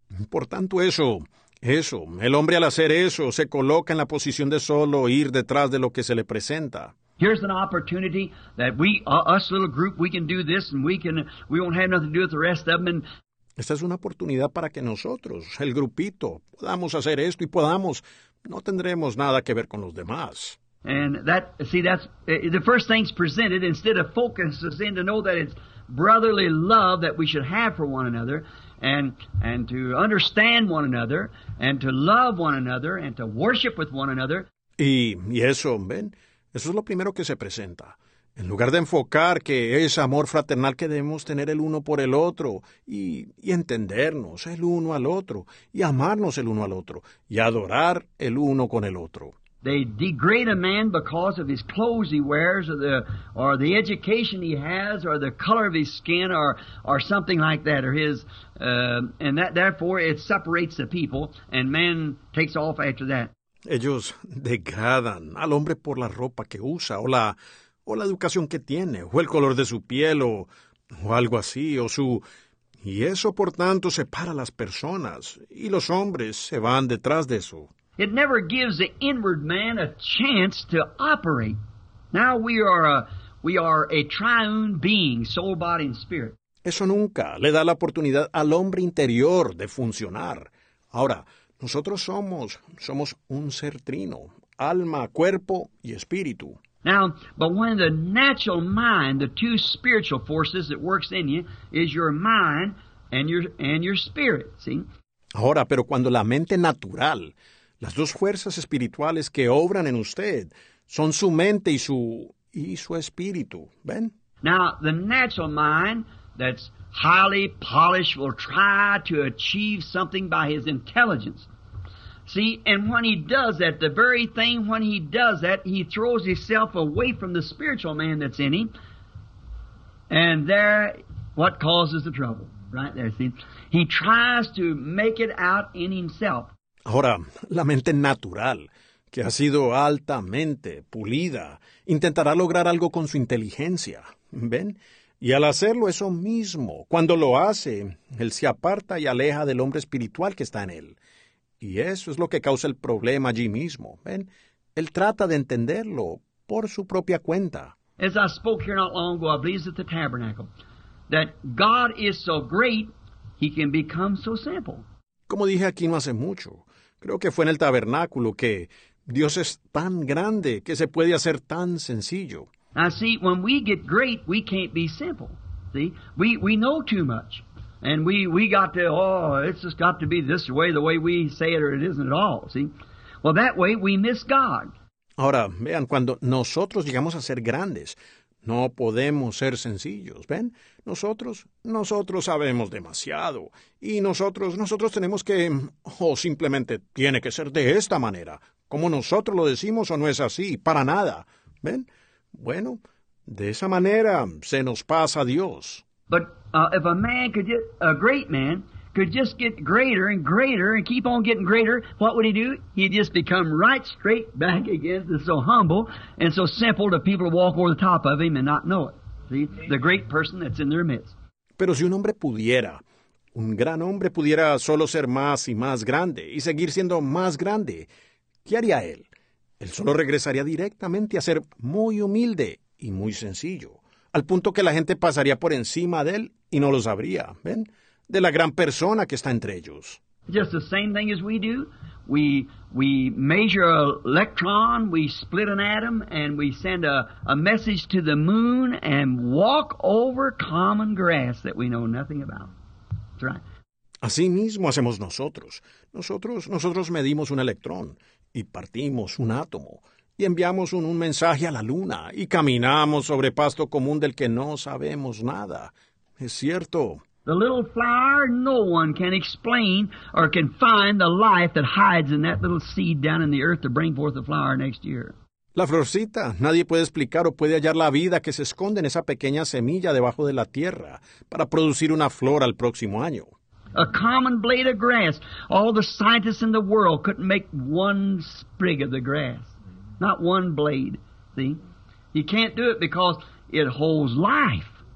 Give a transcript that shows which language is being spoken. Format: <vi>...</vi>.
<es>Por tanto, eso, el hombre al hacer eso, se coloca en la posición de solo ir detrás de lo que se le presenta.</es> <en>Here's an opportunity that we, us little group, we can do this and we won't have nothing to do with the rest of them. And</en> <es>esta es una oportunidad para que nosotros, el grupito, podamos hacer esto y podamos, no tendremos nada que ver con los demás.</es> <en>And that, see, that's the first thing's presented instead of focusing in to know that it's brotherly love that we should have for one another. And to understand one another, and to love one another, and to worship with one another.</en> <es>Y eso, ven, eso es lo primero que se presenta. En lugar de enfocar que es amor fraternal que debemos tener el uno por el otro, y entendernos el uno al otro, y amarnos el uno al otro, y adorar el uno con el otro.</es> <en>They degrade a man because of his clothes he wears, or the education he has, or the color of his skin, or something like that, or his, and that therefore it separates the people, and man takes off after that.</en> <es>Ellos degradan al hombre por la ropa que usa, o la educación que tiene, o el color de su piel, o algo así, o su, y eso por tanto separa a las personas, y los hombres se van detrás de eso.</es> <en>It never gives the inward man a chance to operate. Now we are a triune being, soul, body, and spirit.</en> <es>Eso nunca le da la oportunidad al hombre interior de funcionar. Ahora, nosotros somos un ser trino, alma, cuerpo, y espíritu.</es> <en>Now, but when the natural mind, the two spiritual forces that works in you, is your mind and your spirit, see?</en> <es>Ahora, pero cuando la mente natural, las dos fuerzas espirituales que obran en usted son su mente y su espíritu. ¿Ven?</es> <en>Now, the natural mind that's highly polished will try to achieve something by his intelligence. See, and when he does that, the very thing when he does that, he throws himself away from the spiritual man that's in him. And there, what causes the trouble? Right there, see? He tries to make it out in himself.</en> <es>Ahora, la mente natural, que ha sido altamente pulida, intentará lograr algo con su inteligencia, ¿ven? Y al hacerlo eso mismo, cuando lo hace, él se aparta y aleja del hombre espiritual que está en él. Y eso es lo que causa el problema allí mismo, ¿ven? Él trata de entenderlo por su propia cuenta.</es> <en>As I spoke here not long ago, I believe it's at the tabernacle, that God is so great, he can become so simple.</en> <es>Como dije aquí no hace mucho, creo que fue en el tabernáculo que Dios es tan grande que se puede hacer tan sencillo.</es> <en>Now see, when we get great, we can't be simple. See, we know too much. And we got to, it's just got to be this way, the way we say it, or it isn't at all. See, well, that way we miss God.</en> <es>Ahora, vean, cuando nosotros llegamos a ser grandes, no podemos ser sencillos, ¿ven? Nosotros sabemos demasiado. Y nosotros tenemos que, simplemente tiene que ser de esta manera. Como nosotros lo decimos o no es así, para nada, ¿ven? Bueno, de esa manera se nos pasa a Dios.</es> <en>But if a man could get, a great man, could just get greater and greater and keep on getting greater, what would he do? He'd just become right straight back again, so humble and so simple to people to walk over the top of him and not know it. See, the great person that's in their midst.</en> <es>Pero si un hombre pudiera, un gran hombre pudiera solo ser más y más grande y seguir siendo más grande, ¿qué haría él? Él solo regresaría directamente a ser muy humilde y muy sencillo, al punto que la gente pasaría por encima de él y no lo sabría, ¿ven? De la gran persona que está entre ellos.</es> <en>Just the same thing as we do. We measure an electron, we split an atom, and we send a message to the moon and walk over common grass that we know nothing about. That's right.</en> <es>Así mismo hacemos nosotros. Nosotros medimos un electrón y partimos un átomo y enviamos un mensaje a la luna, y caminamos sobre pasto común del que no sabemos nada. Es cierto.</es> <en>The little flower, no one can explain or can find the life that hides in that little seed down in the earth to bring forth the flower next year.</en> <es>La florcita, nadie puede explicar o puede hallar la vida que se esconde en esa pequeña semilla debajo de la tierra para producir una flor al próximo año.</es> <en>A common blade of grass, all the scientists in the world couldn't make one sprig of the grass. Not one blade, see? You can't do it because it holds life.</en>